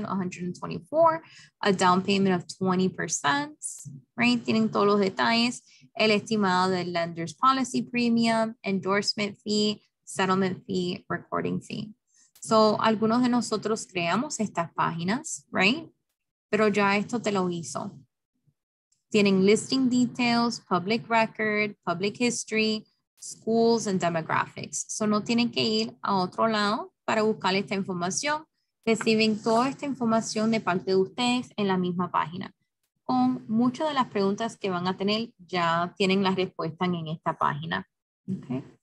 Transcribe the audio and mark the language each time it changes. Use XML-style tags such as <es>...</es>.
<en>$70,124, a down payment of 20%, right?</en> <es>Tienen todos los detalles, el estimado del</es> <en>lender's policy premium, endorsement fee, settlement fee, recording fee.</en> <es>So, algunos de nosotros creamos estas páginas, right? Pero ya esto te lo hizo. Tienen</es> <en>listing details, public record, public history, schools and demographics.</en> <es>So, no tienen que ir a otro lado para buscar esta información. Reciben toda esta información de parte de ustedes en la misma página. Con muchas de las preguntas que van a tener, ya tienen la respuesta en esta página. Okay.</es>